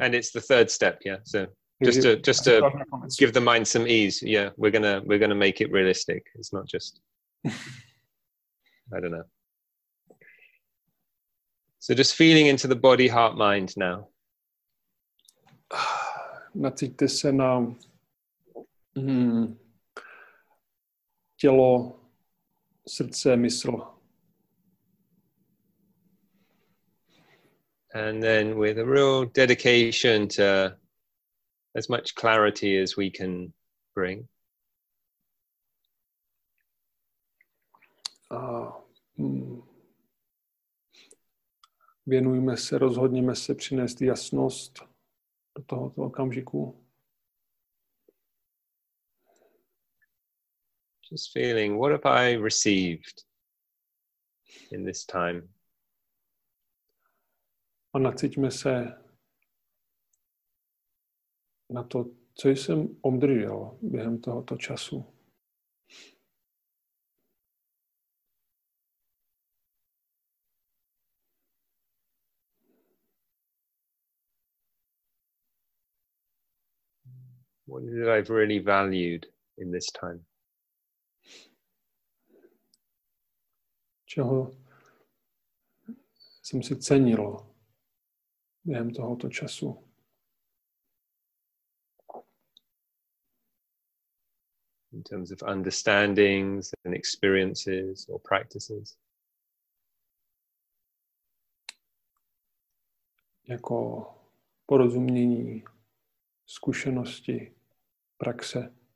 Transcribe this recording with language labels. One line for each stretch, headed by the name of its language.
English: And it's the 3rd step, yeah. So just to give the mind some ease, yeah, we're gonna make it realistic. It's not just, I don't know. So just feeling into the body, heart, mind now.
Czech: Nacítíte se na tělo, srdce, mysl.
English: And then with a real dedication to as much clarity as we can bring.
Czech: Věnujeme se, rozhodněme se přinést jasnost do tohoto okamžiku.
English: Just feeling, what have I received in this time?
Czech: A nacítíme se na to, co jsem obdržel během tohoto času.
English: What is it I've really valued in this time?
Czech: Čeho jsem si cenil během tohoto času.
English: In terms of understandings and experiences or practices.
Czech: Jako porozumění, zkušenosti, praxe.